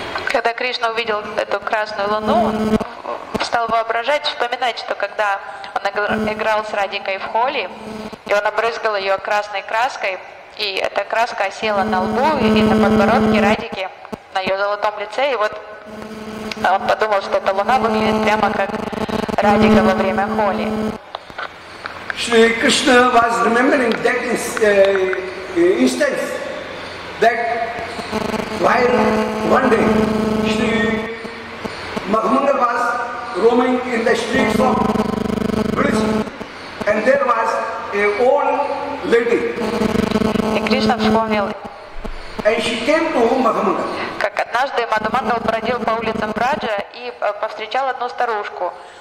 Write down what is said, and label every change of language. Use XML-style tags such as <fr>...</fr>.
<ru>Когда Кришна увидел эту красную луну, он стал воображать, вспоминать, что когда он играл с Радикой в холи, и он обрызгал ее красной краской, и эта краска осела на лбу и на подбородке Радики, на ее золотом лице, и вот он подумал, что эта луна выглядит прямо как Радика во время холи.</ru> <en>Шри Кришна was remembering that instance, that while one day Шри Махамунда was roaming in the streets of Brisbane, and there was an old lady.</en> <ru>И Кришна вспомнил.</ru> <en>And she came to Махамунда.</en> <ru>Как однажды Мадхумандал бродил по улицам Браджа и повстречал одну старушку.</ru>